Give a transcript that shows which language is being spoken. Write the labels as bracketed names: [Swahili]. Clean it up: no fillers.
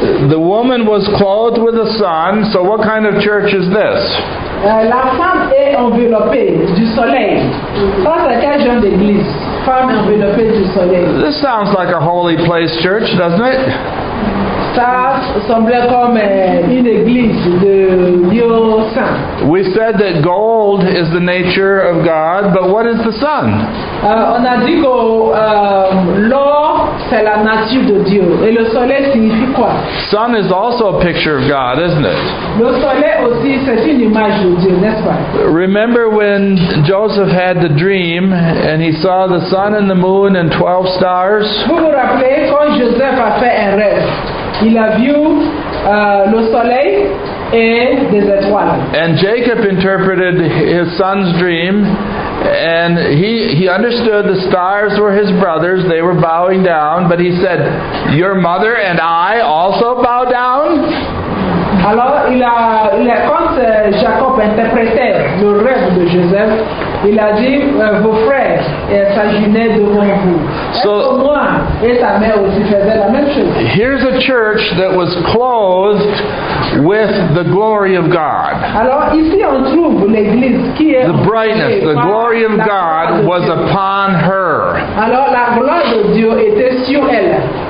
[English] The woman was clothed with a sun, so what kind of church is this? [French] La femme est enveloppée du soleil. Ça, c'est quel genre d'église? Femme enveloppée du soleil. [English] This sounds like a holy place church, doesn't it? [French] Ça semblait comme une église de Dieu saint. [English] We said that gold is the nature of God, but what is the sun? [French] On a dit que l'or, c'est la nature de Dieu. Et le soleil signifie quoi? [English] Sun is also a picture of God, isn't it? [French] Le soleil aussi, c'est une image de Dieu, n'est-ce pas? [English] Remember when Joseph had the dream and he saw the sun and the moon and 12 stars? [French] Vous vous rappelez quand Joseph a fait un rêve? Il a vu le soleil et des étoiles. [English] And Jacob interpreted his son's dream, and he understood the stars were his brothers. They were bowing down, but he said, "Your mother and I also bow down." [French] Alors il a quand Jacob interprétait le rêve de Joseph, il a dit, vos frères s'agenaient devant vous. Et moi et ta mère aussi faisaient la même chose. [English] Here's a church that was clothed with the glory of God. [French] Alors ici on trouve l'église qui est [English] the brightness, the glory of God was upon her. [French] Alors la gloire de Dieu était sur elle.